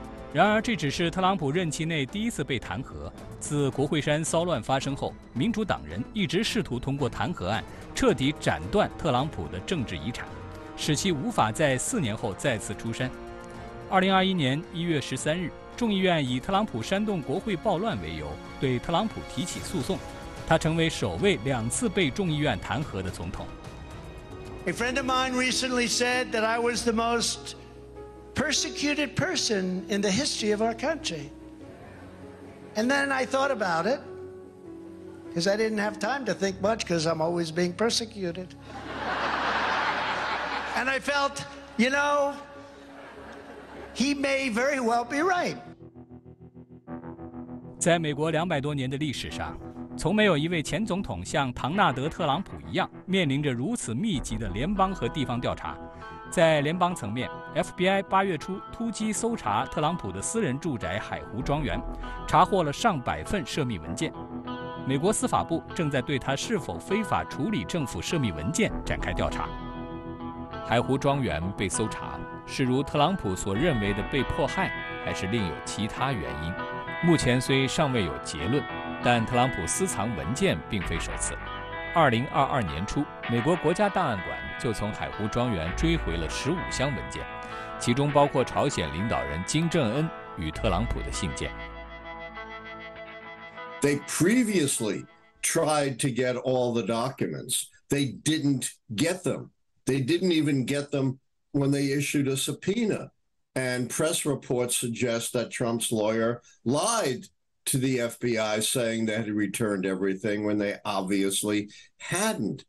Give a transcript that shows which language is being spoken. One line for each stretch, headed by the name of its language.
Chinese: 然而，这只是特朗普任期内第一次被弹劾。自国会山骚乱发生后，民主党人一直试图通过弹劾案彻底斩断特朗普的政治遗产，使其无法在4年后再次出山。 2021年1月13日，众议院以特朗普煽动国会暴乱为由对特朗普提起诉讼，他成为首位两次被众议院弹劾的总统。
English: A friend of mine recently said that I was the most persecuted person in the history of our country. And then I thought about it, because I didn't have time to think much, because I'm always being persecuted. And I felt, you know, he may very well be right.
Chinese: 在美国200多年的历史上，从没有一位前总统像唐纳德·特朗普一样面临着如此密集的联邦和地方调查。在联邦层面， FBI 八月初突击搜查特朗普的私人住宅海湖庄园，查获了上百份涉密文件。美国司法部正在对他是否非法处理政府涉密文件展开调查。海湖庄园被搜查，是如特朗普所认为的被迫害，还是另有其他原因？目前虽尚未有结论，但特朗普私藏文件并非首次。 2022年初，美国国家档案馆就从海湖庄园追回了15箱文件，其中包括朝鲜领导人金正恩与特朗普的信件。
English: They previously tried to get all the documents. They didn't get them. They didn't even get them when they issued a subpoena. And press reports suggest that Trump's lawyer lied to the FBI saying that he returned everything when they obviously hadn't.